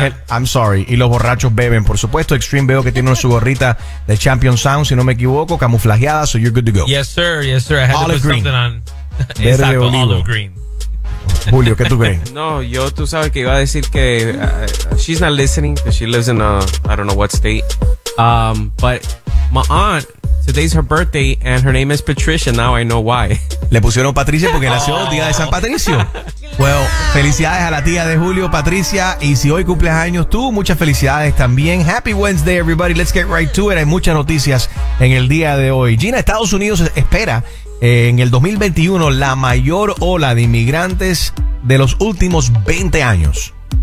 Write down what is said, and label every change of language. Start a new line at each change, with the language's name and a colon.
English: I'm sorry,
Spanish: y los borrachos beben, por supuesto. Extreme, veo que tiene su gorrita de Champion Sound, si no me equivoco, camuflajeada,
English: so you're good to go. Yes, sir, I had all to put green. Something on.
Spanish: Exacto,
English: olive. All of green.
Spanish: Julio, ¿qué tú crees? No, yo, tú sabes que iba a decir que...
English: she's not listening, because she lives in a... I don't know what state. But my aunt... Today's her birthday and her name is Patricia. Now I know why.
Spanish: Le pusieron Patricia porque nació el día de San Patricio. Well, felicidades a la tía de Julio, Patricia. Y si hoy cumples años tú, muchas felicidades también.
English: Happy Wednesday, everybody. Let's get right to it.
Spanish: Hay muchas noticias en el día de hoy. Gina, Estados Unidos espera en el 2021 la mayor ola de inmigrantes de los últimos 20 años.